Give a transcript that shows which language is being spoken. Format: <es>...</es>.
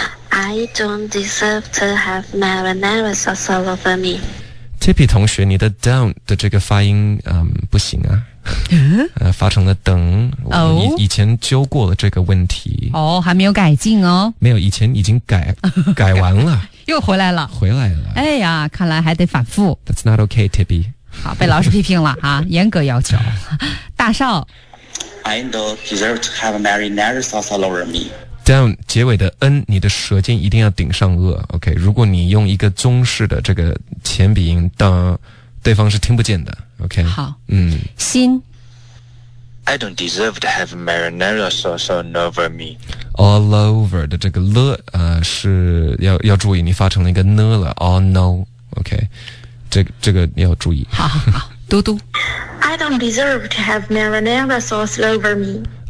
<en>I don't deserve to have marinara sauce all over me.</en> <zh>Tippy 同学，你的 down 的这个发音不行啊。发成了等，我们以前纠过了这个问题。哦，还没有改进哦。没有，以前已经改完了。又回来了。回来了。哎呀，看来还得反复。</zh> <en>That's not okay, Tippy.</en> <zh>好，被老师批评了啊，严格要求。大少。</zh> <en>I don't deserve to have a marinara sauce all over me. Down,</en> <zh>结尾的 N, 你的舌尖一定要顶上颚。 OK, 如果你用一个中式的这个前鼻音当对方是听不见的 ，OK。好，心。</zh> <en>I don't deserve to have marinara sauce all over me.</en> <zh>All over 的这个了，是要注意，你发成了一个呢了 ，</zh> <en>all no，</en> <zh>OK、okay。这个要注意。好，嘟嘟。</zh> <en>I don't deserve to have marinara sauce all over me.</en>